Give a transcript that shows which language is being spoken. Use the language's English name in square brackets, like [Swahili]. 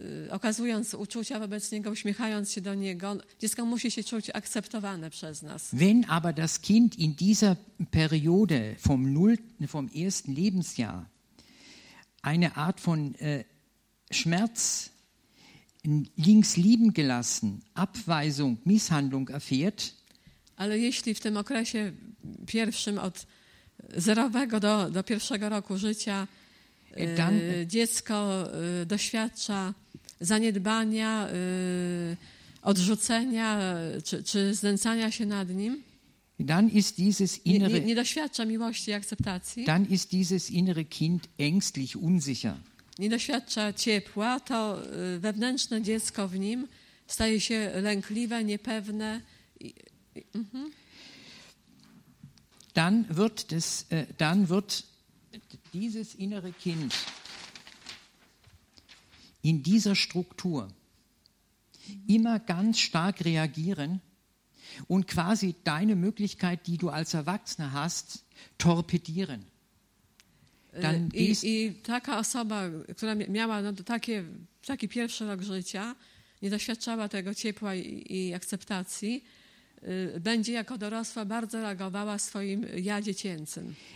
[Polish] okazując uczucia wobec niego, uśmiechając się do niego, dziecko musi się czuć akceptowane przez nas. [German] Wenn aber das Kind in dieser Periode vom nullten, vom ersten Lebensjahr eine Art von Schmerz, links lieben gelassen, Abweisung, Misshandlung erfährt, [Polish] ale jeśli w tym okresie pierwszym od zerowego do pierwszego roku życia dziecko doświadcza zaniedbania, odrzucenia czy znęcania się nad nim, [German] dann ist dieses innere, [Polish] nie doświadcza miłości i akceptacji, [German] dann ist dieses innere Kind ängstlich, unsicher. [Polish] Nie doświadcza ciepła, to wewnętrzne dziecko w nim staje się lękliwe, niepewne. [German] Dann wird das, dann wird dieses innere Kind in dieser Struktur immer ganz stark reagieren und quasi deine Möglichkeit, die du als Erwachsener hast, torpedieren. [Polish] Dann I taka osoba, która miała taki pierwszy rok życia, nie doświadczała tego ciepła i akceptacji, będzie jako dorosła bardzo reagowała swoim ja dziecięcym.